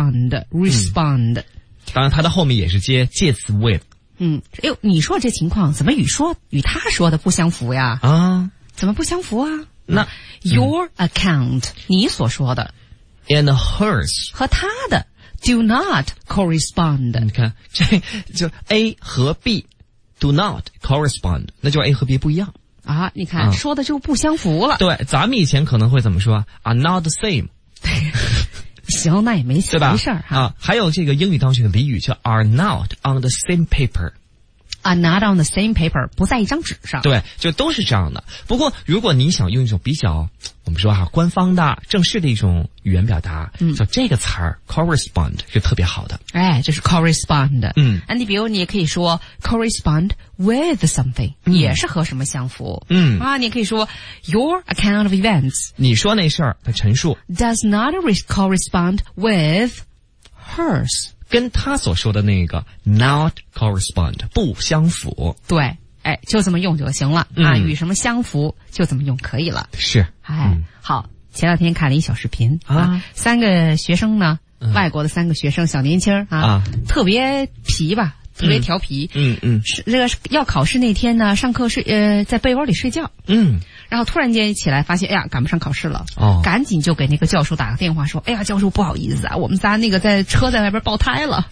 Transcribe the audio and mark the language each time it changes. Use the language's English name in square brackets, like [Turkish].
[English] ，correspond，respond。 [Chinese] 当然，它的后面也是接介词 with。你说这情况怎么与他说的不相符呀？怎么不相符啊？那 [English] your account， [Chinese] 你所说的 [English] ，and hers [Chinese] 和他的。 [English] Do not correspond。 [Chinese] 你看，这就 A 和 B [English] do not correspond， [Chinese] 那就 A 和 B 不一样啊。你看，说的就不相符了。对，咱们以前可能会怎么说 ？ [English] Are not the same。 [Chinese] 行，那也没事，没事儿哈。还有这个英语当中的俚语叫 [English] Are not on the same paper。 Are not on the same paper， [Chinese] 不在一张纸上。对，就都是这样的。不过，如果你想用一种比较，我们说哈，官方的、正式的一种语言表达，叫这个词儿 correspond 是特别好的。就是 correspond。嗯，你比如你也可以说 [English] correspond with something， [Chinese] 也是和什么相符。 [English] 你可以说 your account of events， [Chinese] 你说那事儿的陈述 [English] does not correspond with hers [Chinese] 跟他所说的那个 [English] not correspond [Chinese] 不相符，对，哎，就这么用就行了、啊，与什么相符就怎么用可以了，是，哎，好，前两天看了一小视频啊，三个学生呢、外国的三个学生小年轻 啊，特别皮吧，特别调皮，是这个要考试那天呢，上课睡在被窝里睡觉，然后突然间起来发现，哎呀，赶不上考试了，赶紧就给那个教授打个电话说，哎呀，教授不好意思啊，我们仨那个在车在外边爆胎了，